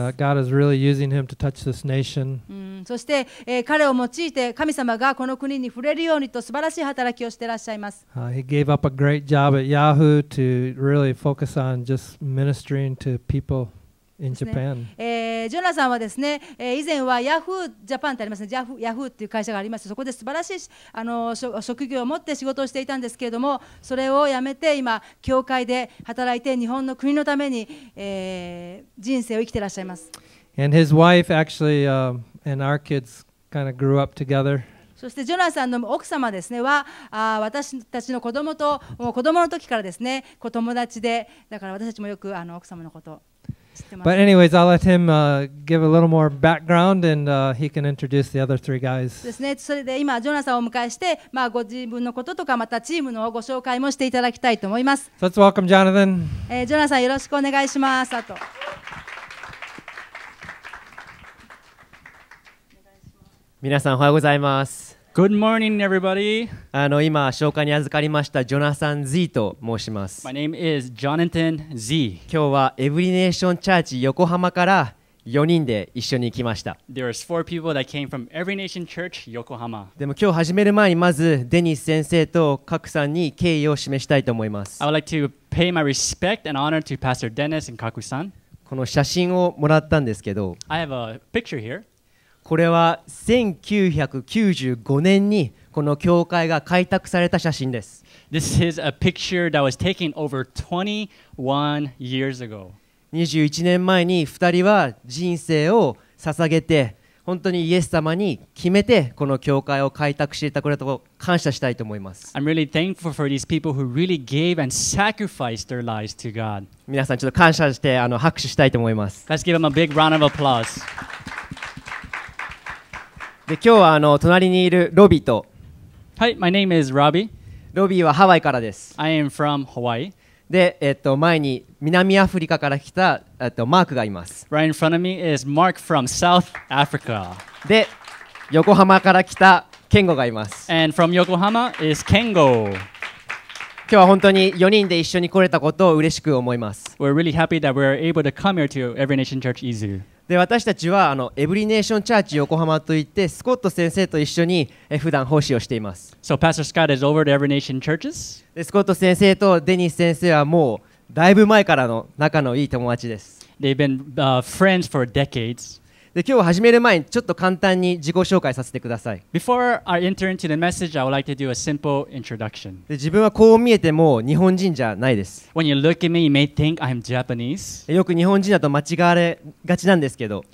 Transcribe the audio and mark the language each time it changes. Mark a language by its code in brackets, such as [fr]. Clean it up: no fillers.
[en] And, God is really using him to touch this nation. [ja] そして、彼を用いて神様がこの国に触れるようにと素晴らしい働きをしていらっしゃいます。 [en] He gave up a great job at Yahoo to really focus on just ministering to people. In Japan. [ja] ジョナサンはですね、以前はヤフージャパンってありますね、ヤフーっていう会社がありまして、そこで素晴らしいあの職業を持って仕事をしていたんですけれども、それを辞めて今教会で働いて日本の国のために、人生を生きていらっしゃいます。 [en] And his wife actually, and our kids kind of grew up together. [ja] そしてジョナサンの奥様ですねは私たちの子供と子供の時からですね友達でだから私たちもよくあの奥様のこと [en] But anyways, I'll let him give a little more background and he can introduce the other three guys. [ja] ですね。それで今ジョナサンをお迎えして、まあ、ご自分のこととかまたチームのご紹介もしていただきたいと思います。 [en] So、let's welcome Jonathan. [ja] ジョナサンよろしくお願いします。あと。皆さんおはようございます。 [en] Good morning, everybody. [ja] あの今紹介に預かりましたジョナサン・ゼーと申します。 [en] My name is Jonathan Zee. [ja] 今日はEvery Nation Church横浜から4人で一緒に来ました。 [en] There are four people that came from Every Nation Church 横浜。 [ja] でも今日始める前にまずデニス先生と各さんに敬意を示したいと思います。 [en] I would like to pay my respect and honor to Pastor Dennis and Kaku-san. [ja] この写真をもらったんですけど。 [en] I have a picture here. [ja] これは1995年にこの教会が開拓された写真です。 [en] This is a picture that was taken over 21 years ago. [ja] 21年前に2人は人生を捧げて、本当にイエス様に決めてこの教会を開拓していたことを感謝したいと思います。 [en] I'm really thankful for these people who really gave and sacrificed their lives to God. [ja] 皆さんちょっと感謝してあの拍手したいと思います。 [en] Let's give them a big round of applause. [ja] で今日はあの隣にいるロビーと、 [en] はい、my name is Robbie。 [ja] ロビーはハワイからです。 [en] I am from Hawaii。 [ja] で、前に南アフリカから来た、マークがいます。 [en] Right in front of me is Mark from South Africa。 [ja] で、横浜から来たケンゴがいます。 [en] And from Yokohama is Kengo。 [ja] 今日は本当に4人で一緒に来れたことを嬉しく思います。 [en] We're really happy that we're able to come here to Every Nation Church Izu。 [ja] で私たちはあのエブリネーションチャーチ横浜といってスコット先生と一緒に普段奉仕をしています。 [en] So Pastor Scott is over to Every Nation Churches. [ja] でスコット先生とデニス先生はもうだいぶ前からの仲のいい友達です。 [en] They've been friends for decades. [ja] で今日始める前にちょっと簡単に自己紹介させてください。 [en] Before I enter into the message, I would like to do a simple introduction. [ja] で自分はこう見えても日本人じゃないです。 [en] When you look at me, you may think I'm Japanese. [ja] よく日本人だと間違われがちなんですけど。